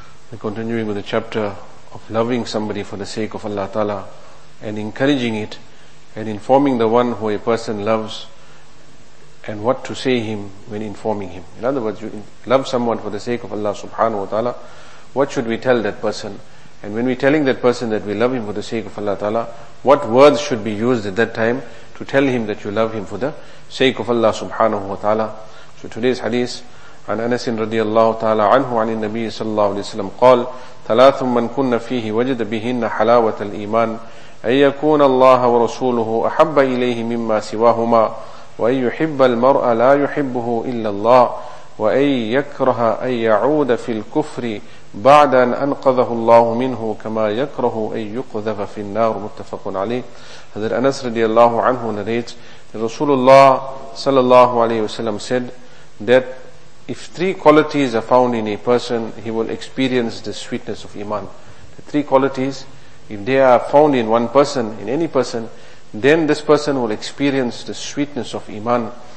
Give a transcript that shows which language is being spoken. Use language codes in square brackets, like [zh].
[en] We're continuing with the chapter of loving somebody for the sake of Allah Ta'ala and encouraging it and informing the one who a person loves and what to say him when informing him. In other words, you love someone for the sake of Allah Subhanahu Wa Ta'ala, what should we tell that person? And when we're telling that person that we love him for the sake of Allah Ta'ala, what words should be used at that time to tell him that you love him for the sake of Allah Subhanahu Wa Ta'ala? [ar] So today's hadith, عن أنس رضي الله تعالى عنه عن النبي صلى الله عليه وسلم قال ثلاث من كن فيه وجد بهن حلاوة الإيمان أن يكون الله ورسوله أحب إليه مما سواهما وأن يحب المرأة لا يحبه إلا الله وأن يكره أن يعود في الكفر بعد أن أنقذه الله منه كما يكره أن يقذف في النار متفق عليه. هذا أنس رضي الله عنه [en] narrates that Rasulullah [ar] صلى الله عليه وسلم [en] said that if three qualities are found in a person, he will experience the sweetness of Iman. The three qualities, if they are found in one person, in any person, then this person will experience the sweetness of Iman.